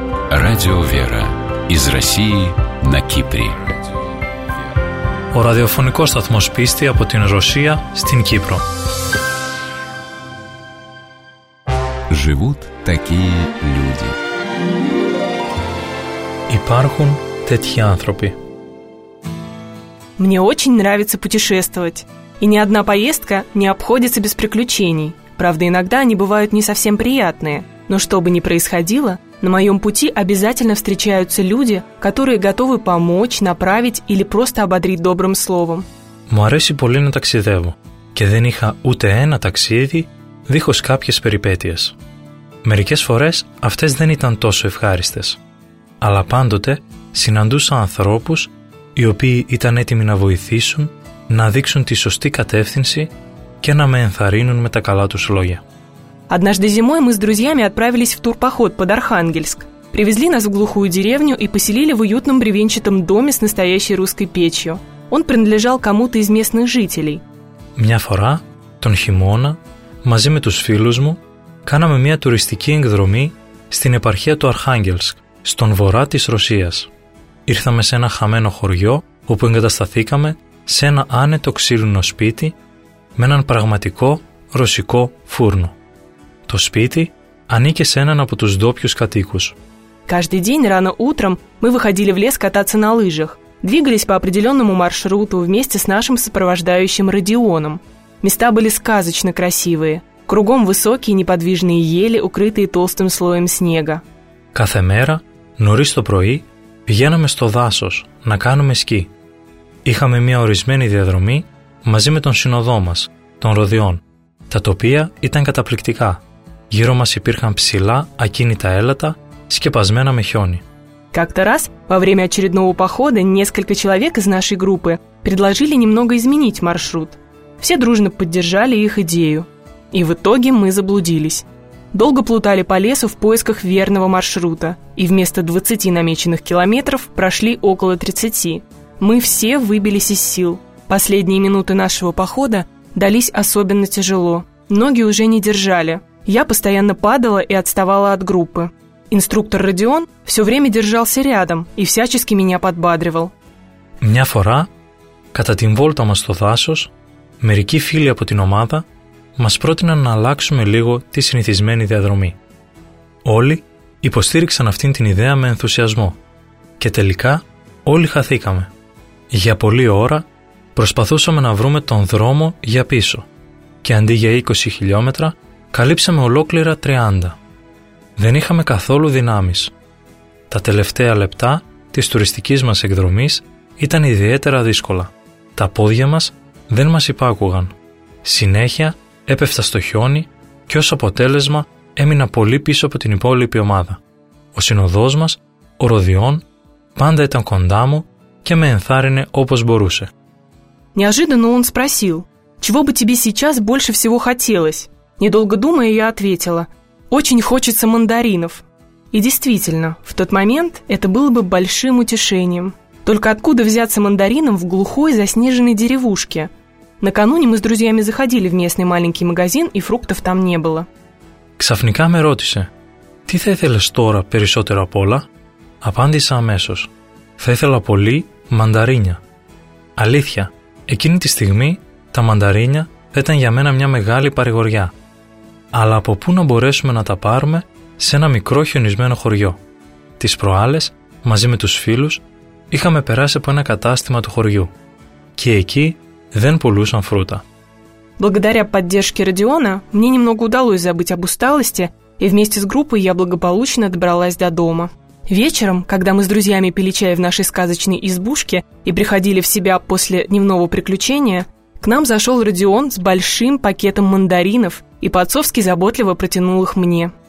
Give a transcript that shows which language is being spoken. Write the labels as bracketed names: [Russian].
[Russian] Радио Вера из России на Кипре. [Greek] Ο ραδιοφωνικός σταθμός πίστη από την Ρωσία στην Κύπρο. [Russian] Живут такие люди. [Greek] Υπάρχουν τέτοιοι άνθρωποι. [Russian] Мне очень нравится путешествовать, и ни одна поездка не обходится без приключений. Правда, иногда они бывают не совсем приятные, но что бы ни происходило, на моем пути обязательно встречаются люди, которые готовы помочь, направить или просто ободрить добрым словом. [Greek] Μου αρέσει πολύ να ταξιδεύω και δεν είχα ούτε ένα ταξίδι δίχως κάποιες περιπέτειες. Μερικές φορές αυτές δεν ήταν τόσο ευχάριστες. Αλλά πάντοτε συναντούσα ανθρώπους οι οποίοι ήταν έτοιμοι να βοηθήσουν, να δείξουν τη σωστή κατεύθυνση και να με ενθαρρύνουν με τα καλά τους λόγια. [Russian] Однажды зимой мы с друзьями отправились в турпоход под Архангельск. Привезли нас в глухую деревню и поселили в уютном бревенчатом доме с настоящей русской печью. Он принадлежал кому-то из местных жителей. [Greek] Μια φορά, τον χειμώνα, μαζί με τους φίλους μου, κάναμε μια τουριστική εκδρομή στην επαρχία του Αρχάγγελσκ, στον βορρά της Ρωσίας. Ήρθαμε σε ένα χαμένο χωριό, όπου εγκατασταθήκαμε σε ένα άνετο ξύλινο σπίτι με έναν πραγματικό ρωσικό φούρνο. Το σπίτι ανήκε σε έναν από τους ντόπιους κατοίκους. [Russian] Каждый день рано утром мы выходили в лес кататься на лыжах, двигались по определенному маршруту вместе с нашим сопровождающим Родионом. Места были сказочно красивые. Кругом высокие неподвижные ели, укрытые толстым слоем снега. [Greek] Κάθε μέρα, νωρίς το πρωί, πηγαίναμε στο δάσος να κάνουμε σκι. Είχαμε μια ορισμένη διαδρομή μαζί με τον συνοδό μας, τον Ροδιόν. Τα τοπία ήταν καταπληκτικά. Γύρω μας υπήρχαν ψηλά, ακίνητα έλατα, σκεπασμένα με χιόνι. [Russian] Как-то раз, во время очередного похода, несколько человек из нашей группы предложили немного изменить маршрут. Все дружно поддержали их идею. И в итоге мы заблудились. Долго плутали по лесу в поисках верного маршрута, и вместо 20 намеченных километров прошли около 30. Мы все выбились из сил. Последние минуты нашего похода дались особенно тяжело. Ноги уже не держали. Я постоянно падала и отставала от группы. Инструктор Родион все время держался рядом и всячески меня подбадривал. [Greek] Мня фора, ката тим волта масто дасос, мерики фили апо тин омада, μας πρότειναν να αλλάξουμε λίγο τη συνηθισμένη διαδρομή. Όλοι υποστήριξαν αυτήν την ιδέα με ενθουσιασμό και τελικά όλοι χαθήκαμε. Για πολλή ώρα προσπαθούσαμε να βρούμε τον δρόμο για πίσω και αντί για 20 χιλιόμετρα καλύψαμε ολόκληρα 30. Δεν είχαμε καθόλου δυνάμεις. Τα τελευταία λεπτά της τουριστικής μας εκδρομής ήταν ιδιαίτερα δύσκολα. Τα πόδια μας δεν μας υπάκουγαν. Συνέχεια έπεφτα στο χιόνι και ως αποτέλεσμα έμεινα πολύ πίσω από την υπόλοιπη ομάδα. Ο συνοδός μας, ο Ροδιόν, πάντα ήταν κοντά μου και με ενθάρρυνε όπως μπορούσε. [Russian] Неожиданно он спросил: «Чего бы тебе сейчас больше всего хотелось?» Недолго думая, я ответила: «Очень хочется мандаринов». И действительно, в тот момент это было бы большим утешением. Только откуда взяться мандаринам в глухой заснеженной деревушке? Накануне мы с друзьями заходили в местный маленький магазин, и фруктов там не было. [Greek] Ξαφνικά με ρώτησε: «Τι θα ήθελες τώρα περισσότερο απ' όλα?» Απάντησα αμέσως: «Θα ήθελα πολύ μανταρίνια». Αλήθεια, εκείνη τη στιγμή τα μανταρίνια ήταν για μένα μια μεγάλη παρηγοριά. Αλλά από πού να μπορέσουμε να τα πάρουμε σε ένα μικρό χιονισμένο χωριό? Τις προάλλες, μαζί με τους φίλους, είχαμε περάσει από ένα κατάστημα του χωριού. Και εκεί δεν πουλούσαν φρούτα. [Russian] Благодаря поддержке Родиона, мне немного удалось забыть об усталости, и вместе с группой я благополучно добралась до дома. Вечером, когда мы с друзьями пили чай в нашей сказочной избушке и приходили в себя после дневного приключения, к нам зашел Родион с большим пакетом мандаринов и по-отцовски заботливо протянул их мне.